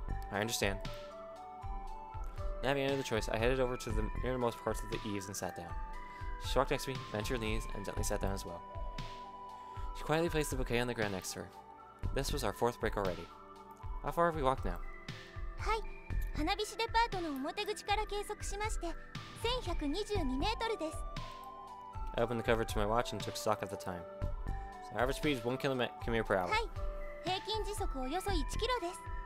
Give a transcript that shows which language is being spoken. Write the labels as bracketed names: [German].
[English] I understand. Now having any other choice, I headed over to the innermost parts of the eaves and sat down. She walked next to me, bent her knees, and gently sat down as well. She quietly placed the bouquet on the ground next to her. This was our fourth break already. How far have we walked now? Hi. [Japanese] 花火師デパートの表口から計測しまして1122メートルです。 [English] I opened the cover to my watch and took stock of the time. So our average speed is 1 km per hour. [Japanese] はい、平均時速およそ1キロです。